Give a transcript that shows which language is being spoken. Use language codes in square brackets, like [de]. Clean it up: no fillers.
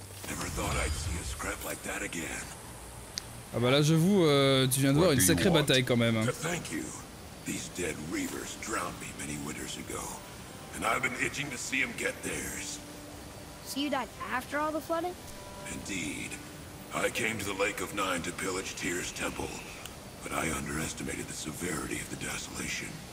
[en] Never thought I'd see a scrap like that again. [fr] Ah bah là, j'avoue, tu viens de voir une sacrée bataille quand même. [en] Thank you. These dead reavers drowned me many winters ago, and I've been itching to see them get theirs. So you died after all the flooding? Indeed. I came to the Lake of Nine to pillage Tyr's temple, but I underestimated the severity of the desolation.